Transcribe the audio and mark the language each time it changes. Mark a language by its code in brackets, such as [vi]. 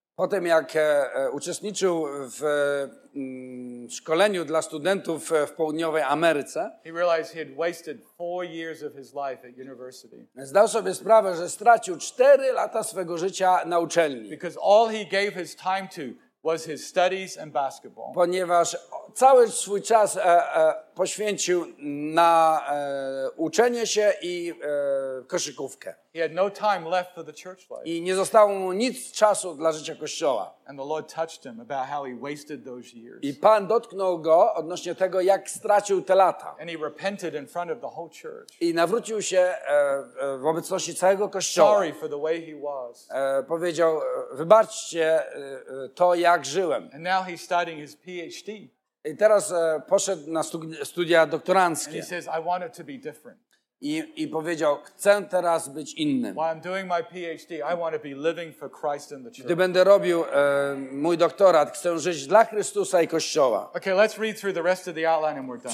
[pl] Potem jak uczestniczył w szkoleniu dla studentów w południowej Ameryce. [en] He realized he had wasted 4 years of his life at university. [pl] Zdał sobie sprawę, że stracił 4 lata swego życia na uczelni. [en] Because all he gave his time to was his studies and basketball. [pl] Ponieważ cały swój czas poświęcił na uczenie się i koszykówkę. [en] He had no time left for the church life. [pl] I nie zostało mu nic czasu dla życia kościoła. [en] And the Lord touched him about how he wasted those years. [pl] I Pan dotknął go odnośnie tego, jak stracił te lata. [en] And he repented in front of the whole church. [pl] I nawrócił się w obecności całego kościoła. [en] Sorry for the way he was. [pl] Powiedział, wybaczcie to, jak żyłem. [en] And now he's studying his PhD. [pl] I teraz poszedł na studia doktoranckie. [en] And he says, I want it to be different. [pl] I powiedział, chcę teraz być innym. [en] While I'm doing my PhD, I want to be living for Christ in the church. [pl] Gdy będę robił mój doktorat, chcę żyć dla Chrystusa i Kościoła. [en] Okay, let's read through the rest of the outline and we're done.